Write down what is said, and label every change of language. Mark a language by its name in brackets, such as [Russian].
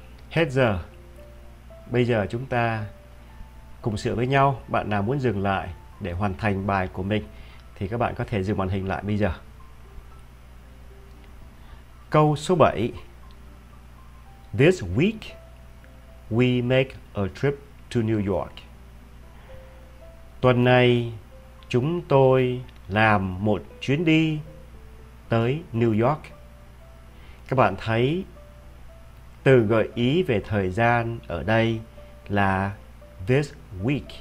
[Vietnamese] Hết giờ. Bây giờ chúng ta cùng sửa với nhau. Bạn nào muốn dừng lại để hoàn thành bài của mình thì các bạn có thể dừng màn hình lại bây giờ. Câu số 7. [English] This week we make a trip to New York. [Vietnamese] Tuần này chúng tôi làm một chuyến đi tới New York. Các bạn thấy từ gợi ý về thời gian ở đây là [English] this week.